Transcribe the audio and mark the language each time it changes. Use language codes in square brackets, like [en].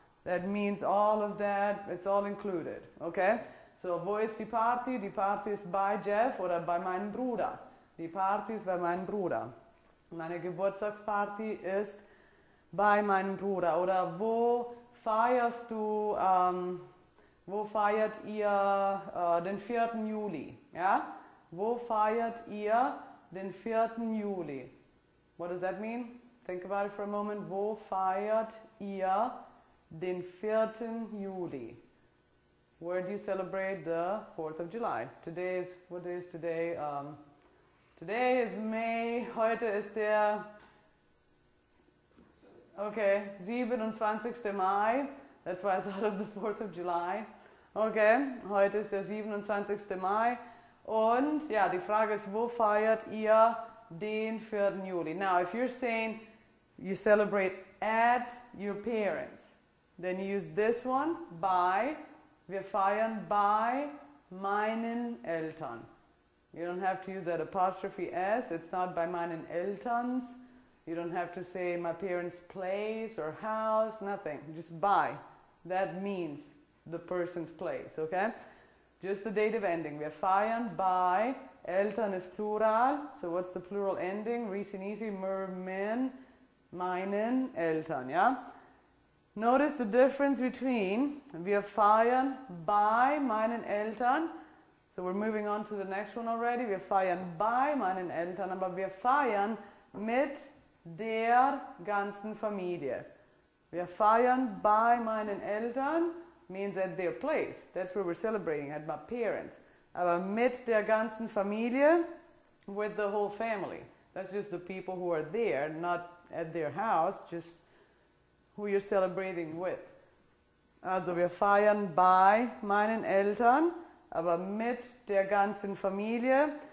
[en] That means all of that, it's all included, okay? [de] So, wo ist die Party? Die Party ist bei Jeff oder bei meinem Bruder. Die Party ist bei meinem Bruder. Meine Geburtstagsparty ist bei meinem Bruder. Oder wo feierst du, wo feiert ihr den 4. Juli? Ja? Wo feiert ihr den 4. Juli? [en] What does that mean? Think about it for a moment. [de] Wo feiert ihr den 4. Juli? [en] Where do you celebrate the 4th of July? Today is, what day is today? Today is May, [de] heute ist der, [en] okay, 27. Mai. That's why I thought of the 4th of July. [de] Okay, heute ist der 27. Mai. Und ja, die Frage ist, wo feiert ihr den 4. Juli? [en] Now, if you're saying you celebrate at your parents, then use this one, by. [de] Wir feiern bei meinen Eltern. [en] You don't have to use that apostrophe S. It's not [de] bei meinen Elterns. [en] You don't have to say my parents' place or house, nothing. Just by. That means the person's place, okay? Just the dative ending. [de] Wir feiern bei. [en] Eltern is plural. So what's the plural ending? Recent easy. [de] Mermen. Meinen Eltern, yeah? [en] Notice the difference between [de] wir feiern bei meinen Eltern. [en] So we're moving on to the next one already. [de] Wir feiern bei meinen Eltern, aber wir feiern mit der ganzen Familie. Wir feiern bei meinen Eltern [en] means at their place. That's where we're celebrating, at my parents. [de] Aber mit der ganzen Familie, [en] with the whole family. That's just the people who are there, not at their house, just who you're celebrating with. [de] Also wir feiern bei meinen Eltern, aber mit der ganzen Familie.